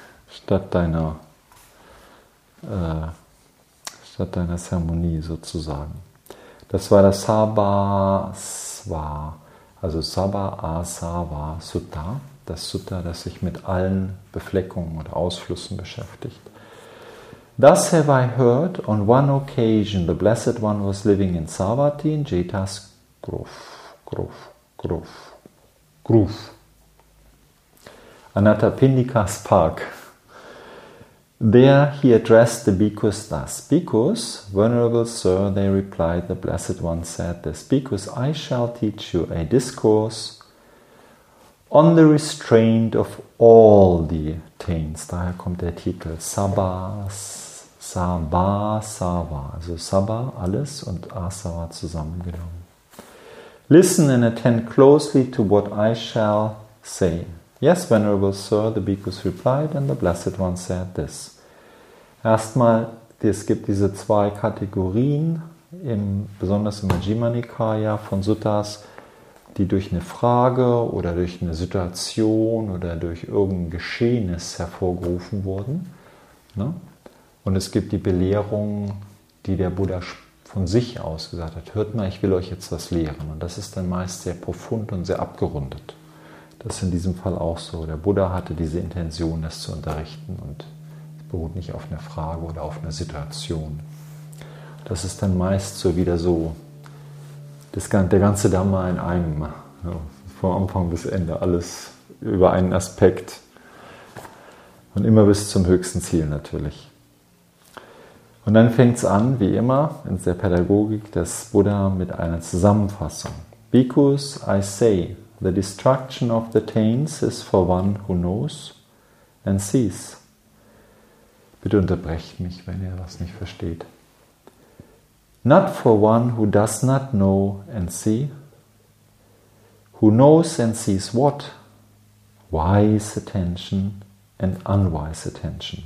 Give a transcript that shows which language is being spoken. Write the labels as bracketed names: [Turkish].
[German] Statt deiner Zeremonie sozusagen. Das war das Sabha-Sva, also Sabha-Asava-Sutta. Das Sutta, das sich mit allen Befleckungen oder Ausflüssen beschäftigt. [English] Thus have I heard, on one occasion the Blessed One was living in Savatthi, in Jetas Gruff, gruff, gruff, gruff. Anathapindika's Park. There he addressed the bhikkhus thus. Bhikkhus, venerable sir, they replied, the Blessed One said this. Bhikkhus, I shall teach you a discourse on the restraint of all the taints. [German] Daher kommt der Titel Sabha, Sabha, Sava. Also Sabha, alles, und Asava zusammengenommen. [English] Listen and attend closely to what I shall say. Yes, venerable sir, the bhikkhus replied, and the Blessed One said this. [German] Erstmal, es gibt diese zwei Kategorien, besonders im Majjhima Nikaya von Suttas, die durch eine Frage oder durch eine Situation oder durch irgendein Geschehnis hervorgerufen wurden. Und es gibt die Belehrung, die der Buddha von sich aus gesagt hat, hört mal, ich will euch jetzt was lehren. Und das ist dann meist sehr profund und sehr abgerundet. Das ist in diesem Fall auch so. Der Buddha hatte diese Intention, das zu unterrichten, und es beruht nicht auf einer Frage oder auf einer Situation. Das ist dann meist so wieder so, der ganze Dhamma in einem, ja, vom Anfang bis Ende, alles über einen Aspekt und immer bis zum höchsten Ziel natürlich. Und dann fängt es an, wie immer, in der Pädagogik des Buddha mit einer Zusammenfassung. [English] Bhikkhus, I say, the destruction of the taints is for one who knows and sees. [German] Bitte unterbrecht mich, wenn ihr was nicht versteht. [English] Not for one who does not know and see. Who knows and sees what? Wise attention and unwise attention.